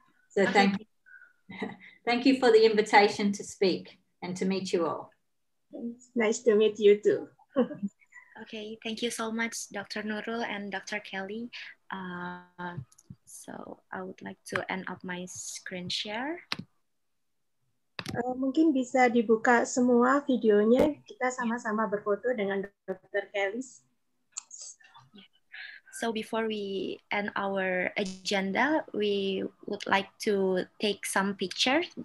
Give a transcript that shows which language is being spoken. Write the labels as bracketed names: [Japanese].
[English] So thank you. Thank you for the invitation to speak and to meet you all. Nice to meet you too. Okay, thank you so much, Dr. Nurul and Dr. Kelly. So I would like to end up my screen share. [Indonesian] Mungkin bisa dibuka semua videonya. Kita sama-sama berfoto dengan Dr. Kelly. [English] So before we end our agenda, we would like to take some pictures.